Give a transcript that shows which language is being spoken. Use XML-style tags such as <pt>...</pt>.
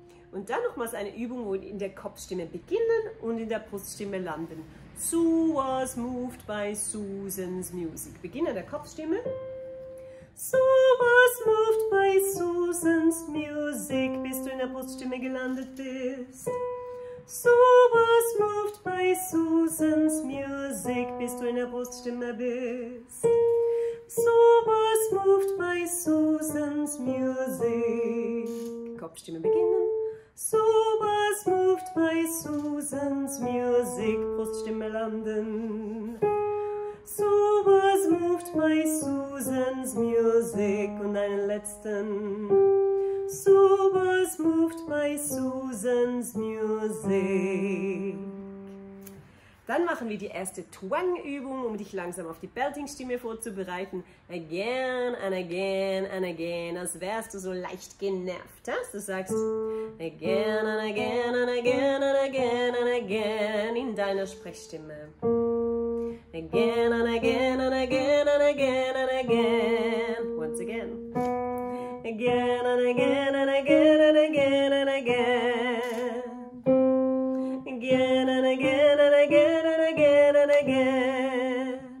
<de>Und dann nochmals eine Übung, wo wir in der Kopfstimme beginnen und in der Bruststimme landen.</de> <en>Sue was moved by Susan's music.</en> <de>Beginn an der Kopfstimme.</de> <en>Sue was moved by Susan's music,</en> <de>bis du in der Bruststimme gelandet bist.</de> <en>Sue was moved by Susan's music,</en> <de>bis du in der Bruststimme bist.</de> <en>Sue was moved by Susan's music.</en> <de>Kopfstimme beginnen.</de> <en>Sue was moved by Susan's music,</en> <de>Bruststimme landen.</de> <en>So was moved by Susan's music</en> <de>und einen letzten.</de> <en>So was moved by Susan's music.</en> <de>Dann machen wir die erste Twang-Übung, um dich langsam auf die Belting-Stimme vorzubereiten.</de> <en>Again and again and again,</en> <de>als wärst du so leicht genervt, dass du sagst</de> <en>again and again and again</en> <de>and again and again in deiner Sprechstimme.</de> <en>Again and again and again and again and again. Once again. Again and again and again and again and again. Again and again and again and again and again.</en>